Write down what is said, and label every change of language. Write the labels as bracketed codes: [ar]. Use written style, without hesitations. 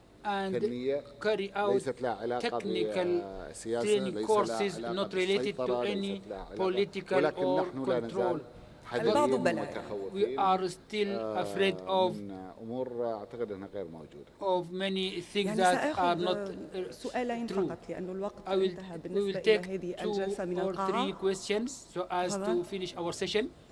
[en] and carry out technical training courses not related to any political or control. [ar] البعض بلى. [en] We are still afraid of. [ar] أمور أعتقد أنها غير موجودة. [en] Of many things that are not [ar] سؤالين [en] true. [ar] فقط لأنه الوقت انتهى بالنسبة إلى هذه الجلسة من القاعة. [en] Two or three questions so as to finish our session.